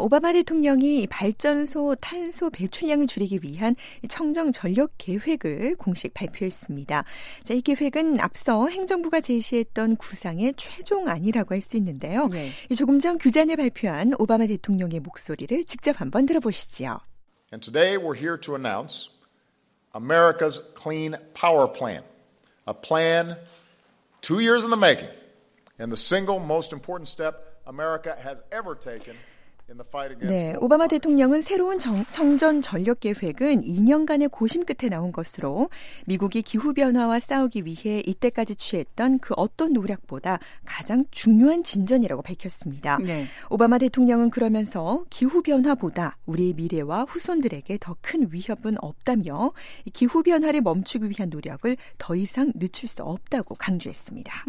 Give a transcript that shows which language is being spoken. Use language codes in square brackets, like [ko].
[ko] 오바마 대통령이 발전소 탄소 배출량을 줄이기 위한 청정전력 계획을 공식 발표했습니다. 자, 이 계획은 앞서 행정부가 제시했던 구상의 최종안이라고 할 수 있는데요. 네. 조금 전 규제안을 발표한 오바마 대통령의 목소리를 직접 한번 들어보시죠. [en] And today we're here to announce America's Clean Power Plan. A plan Two years in the making, and the single most important step America has ever taken. [ko] 네, 오바마 대통령은 새로운 청전 전력 계획은 2년간의 고심 끝에 나온 것으로 미국이 기후변화와 싸우기 위해 이때까지 취했던 그 어떤 노력보다 가장 중요한 진전이라고 밝혔습니다. 네. 오바마 대통령은 그러면서 기후변화보다 우리의 미래와 후손들에게 더 큰 위협은 없다며 기후변화를 멈추기 위한 노력을 더 이상 늦출 수 없다고 강조했습니다.